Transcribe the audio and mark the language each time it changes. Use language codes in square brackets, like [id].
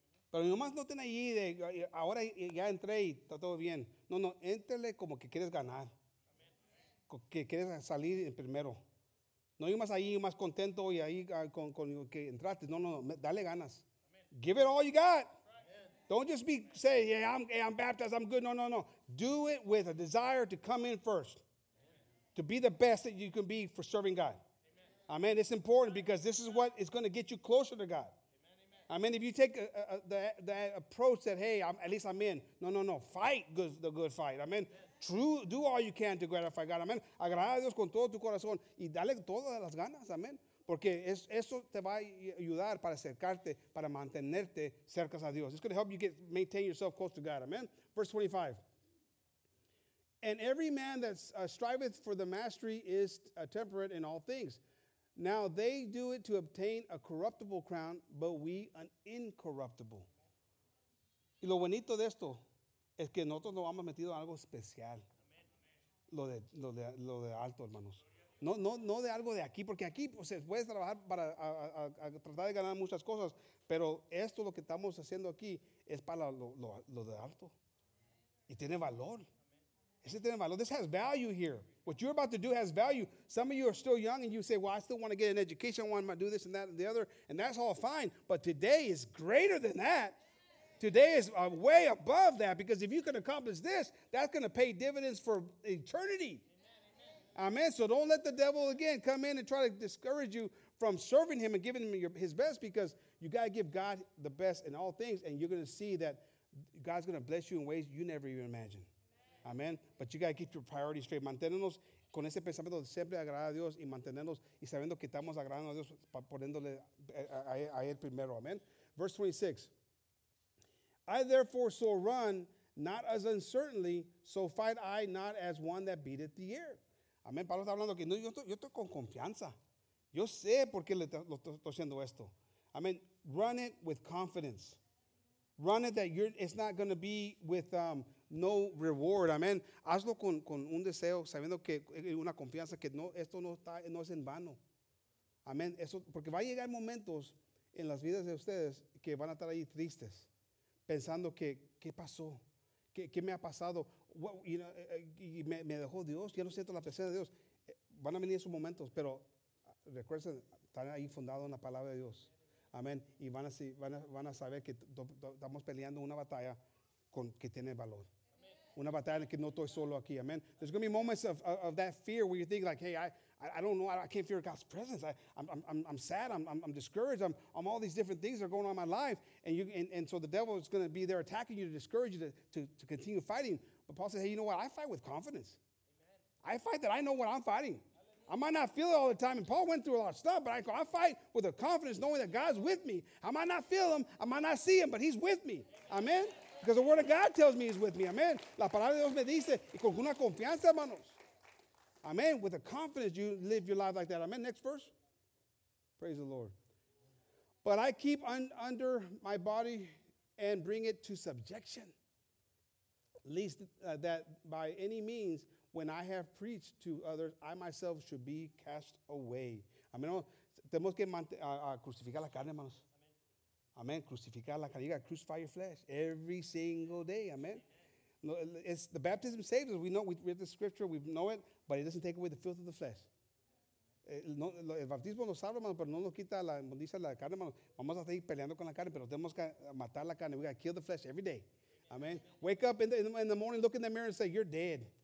[es] Pero nomás no estén allí de ahora ya entré y está todo bien. No, no, éntrele como que quieres ganar. Que quieres salir primero. No nomás ahí más contento y ahí con que entraste. No, no, no, dale ganas. Amen. [en] Give it all you got. Don't just be say, yeah, I'm baptized, I'm good. No, no, no. Do it with a desire to come in first. Amen. To be the best that you can be for serving God. Amen. Amen. It's important because this is what is going to get you closer to God. Amen. Amen. I mean, if you take the approach that, hey, I'm at least I'm in. No, no, no. Fight the good fight. Amen. Amen. True, do all you can to gratify God. Amen. [es] Agradece a Dios con todo tu corazón y dale todas las ganas. Amen. Porque eso te va a ayudar para acercarte, para mantenerte cerca a Dios. [en] It's going to help you maintain yourself close to God. Amen. Verse 25. And every man that striveth for the mastery is temperate in all things. Now they do it to obtain a corruptible crown, but we an incorruptible. [es] Y lo bonito de esto es que nosotros nos hemos metido algo especial. Lo de alto, hermanos. No de algo de aquí, porque aquí pues, puedes trabajar para a tratar de ganar muchas cosas, pero esto lo que estamos haciendo aquí es para lo de alto. Y tiene valor. Ese tiene valor. [en] This has value here. What you're about to do has value. Some of you are still young and you say, well, I still want to get an education. I want to do this and that and the other, and that's all fine. But today is greater than that. Today is way above that, because if you can accomplish this, that's going to pay dividends for eternity. Amen. So don't let the devil again come in and try to discourage you from serving him and giving him his best, because you got to give God the best in all things, and you're going to see that God's going to bless you in ways you never even imagined. Amen. But you got to keep your priorities straight. [es] Mantenernos con ese pensamiento de siempre agradar a Dios y mantenernos y sabiendo que estamos agradando a Dios poniéndole a él primero. [en] Amen. Verse 26. I therefore so run, not as uncertainly, so fight I not as one that beateth the air. [es] Amén. Pablo está hablando que no, yo estoy con confianza. Yo sé por qué lo estoy haciendo esto. [en] Amén. Run it with confidence. Run it that it's not going to be with no reward. [es] Amén. Hazlo con un deseo, sabiendo que una confianza que no, esto no, está, no es en vano. Amén. Eso, porque va a llegar momentos en las vidas de ustedes que van a estar ahí tristes, pensando que, ¿qué pasó? ¿Qué me ha pasado? [en] Well, you know, [es] y me dejó Dios, ya no siento la presencia de Dios. Van a venir esos momentos, pero recuerden, están ahí fundados en la palabra de Dios. Amén. Y van a saber que estamos peleando una batalla con que tiene valor. Una batalla que no estoy solo aquí. Amen. [en] There's going to be moments of that fear where you think like, hey, I don't know. I can't fear God's presence. I'm sad. I'm discouraged. I'm all these different things that are going on in my life. And so the devil is going to be there attacking you to discourage you to continue fighting. But Paul said, hey, you know what? I fight with confidence. I fight that I know what I'm fighting. I might not feel it all the time. And Paul went through a lot of stuff, but I fight with a confidence knowing that God's with me. I might not feel him. I might not see him, but he's with me. Amen. Because the word of God tells me he's with me. Amen. [es] La palabra de Dios me dice, y con una confianza, hermanos. Amen. [en] With a confidence, you live your life like that. Amen. Next verse. Praise the Lord. But I keep under my body and bring it to subjection. Least that by any means, when I have preached to others, I myself should be cast away. Amen. [es] Tenemos que crucificar la carne, hermanos. Amen. Crucificar la carne. [en] You got to crucify your flesh every single day. Amen. No, it's the baptism saves us. We know, we read the scripture, we know it, but it doesn't take away the filth of the flesh. [es] El bautismo nos salva, hermanos, pero no nos quita la inmundicia de la carne, hermanos. Vamos a seguir peleando con la carne, pero tenemos que matar la carne. [en] We got to kill the flesh every day. [es] Amen. [en] Wake up in the morning, look in the mirror and say, you're dead.